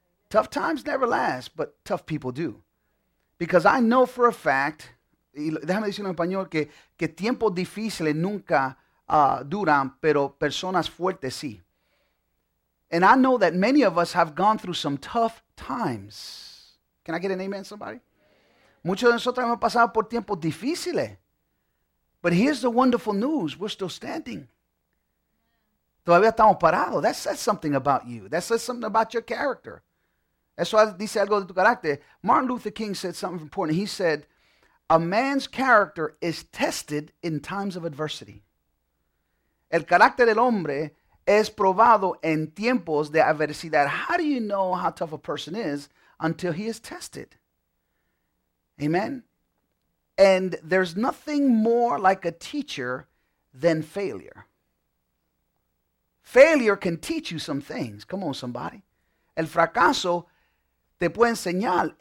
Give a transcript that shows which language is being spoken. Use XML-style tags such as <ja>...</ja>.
<en>Tough times never last, but tough people do. Because I know for a fact,</en> <es>y déjame decirlo en español, que tiempos difíciles nunca duran, pero personas fuertes sí.</es> <en>And I know that many of us have gone through some tough times. Can I get an amen, somebody?</en> <es>Muchos de nosotros hemos pasado por tiempos difíciles.</es> <en>But here's the wonderful news, we're still standing.</en> <es>Todavía estamos parados.</es> <en>That says something about you. That says something about your character.</en> <es>Eso dice algo de tu carácter.</es> <en>Martin Luther King said something important. He said, a man's character is tested in times of adversity.</en> <es>El carácter del hombre es probado en tiempos de adversidad.</es> <en>How do you know how tough a person is until he is tested? Amen? And there's nothing more like a teacher than failure. Failure can teach you some things. Come on, somebody.</en> <es>El fracaso te puede enseñar.</es>